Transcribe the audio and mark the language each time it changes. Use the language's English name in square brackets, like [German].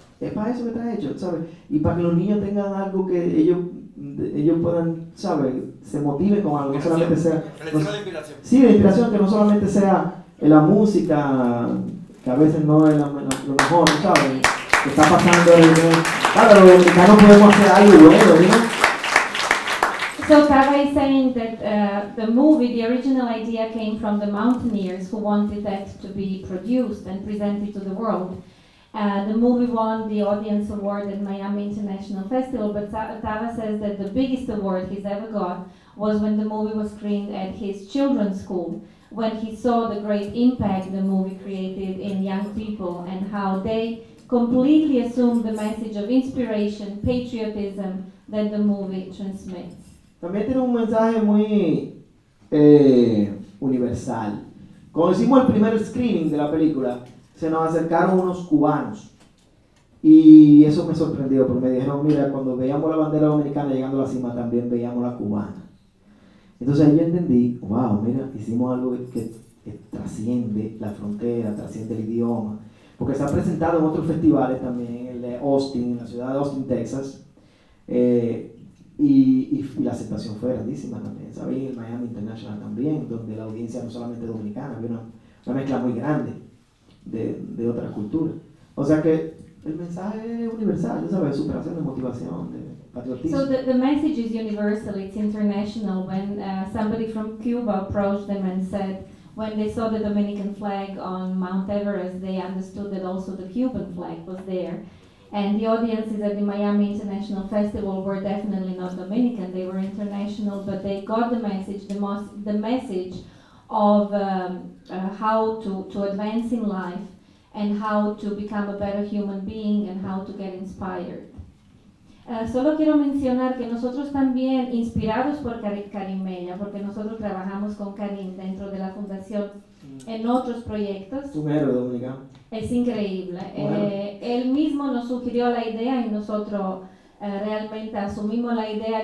[Spanish] Es para eso que está hecho, ¿sabes? Y para que los niños tengan algo que ellos puedan, ¿sabes? Se motiven con algo, no solamente sea... La inspiración. Sí, la inspiración, que no solamente sea la música, que a veces no es lo mejor, ¿sabes? Que está pasando ahí, ¿no? Claro, los dominicanos podemos hacer algo bueno, ¿no? [English] So Kava is saying that the movie, the original idea came from the mountaineers who wanted that to be produced and presented to the world. The movie won the Audience Award at Miami International Festival, but Tava says that the biggest award he's ever got was when the movie was screened at his children's school, when he saw the great impact the movie created in young people and how they completely assumed the message of inspiration, patriotism that the movie transmits. [Spanish] También tiene un mensaje muy universal. Cuando hicimos el primer screening de la película, se nos acercaron unos cubanos. Y eso me sorprendió, porque me dijeron, mira, cuando veíamos la bandera dominicana llegando a la cima, también veíamos la cubana. Entonces ahí yo entendí, wow, mira, hicimos algo que trasciende la frontera, trasciende el idioma. Porque se ha presentado en otros festivales también, en el de Austin, en la ciudad de Austin, Texas. Y la aceptación fue grandísima también, ¿sabes? En Miami International también, donde la audiencia no solamente dominicana, había una mezcla muy grande de otras culturas. O sea que el mensaje es universal, ¿sabes? Superación de motivación, de patriotismo. [English] So the message is universal, it's international. When somebody from Cuba approached them and said, when they saw the Dominican flag on Mount Everest, they understood that also the Cuban flag was there. And the audiences at the Miami International Festival were definitely not Dominican, they were international, but they got the message of how to advance in life and how to become a better human being and how to get inspired. [Spanish] Solo quiero mencionar que nosotros también, inspirados por Karimeña, porque nosotros trabajamos con Karim dentro de la fundación en otros proyectos. Un héroe dominicano. Es increíble. Él mismo nos sugirió la idea y nosotros realmente asumimos la idea.